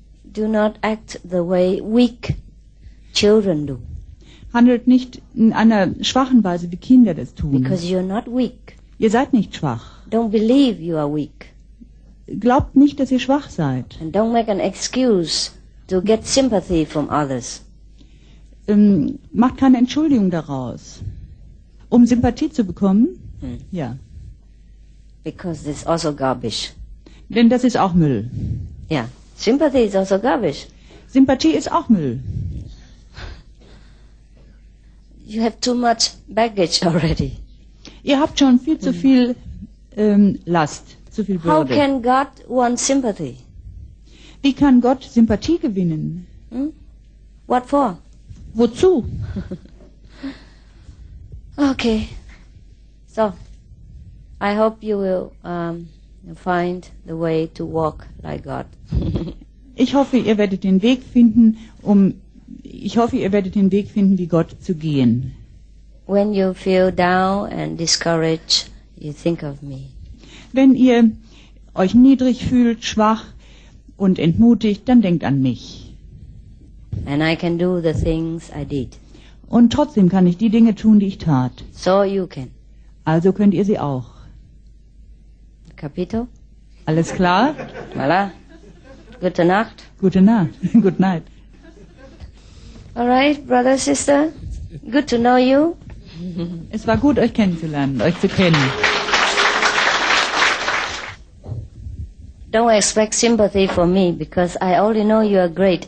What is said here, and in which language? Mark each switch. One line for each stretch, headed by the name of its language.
English: do not act the way weak children do.
German: Handelt nicht in einer schwachen Weise, wie Kinder das tun.
English: Because you're not weak.
German: Ihr seid nicht schwach.
English: Don't believe you are weak.
German: Glaubt nicht, dass ihr schwach seid.
English: And don't make an excuse to get sympathy from others.
German: Macht keine Entschuldigung daraus, um Sympathie zu bekommen. Hm. Ja.
English: Because this is also garbage.
German: Denn das ist auch Müll.
English: Ja. Sympathy is also garbage.
German: Sympathie ist auch Müll.
English: You have too much baggage already.
German: Ihr habt schon viel zu viel Last, zu viel Bürde.
English: How can God want sympathy?
German: Wie kann Gott Sympathie gewinnen?
English: Hm? What for?
German: Wozu?
English: Okay. So, I hope you will find the way to walk like God.
German: Ich hoffe, ihr werdet den Weg finden, ich hoffe, ihr werdet den Weg finden, wie Gott zu gehen.
English: When you feel down and discouraged, you think of me.
German: Wenn ihr euch niedrig fühlt, schwach und entmutigt, dann denkt an mich.
English: And I can do the things I did.
German: Und trotzdem kann ich die Dinge tun, die ich tat.
English: So you can.
German: Also könnt ihr sie auch.
Italian: Capito?
German: Alles klar? Voilà. Gute Nacht. Gute Nacht.
English: Good night. All right, brother, sister. Good to know you.
German: Es war gut, euch kennenzulernen, euch zu kennen.
English: Don't expect sympathy for me, because I only know you are great.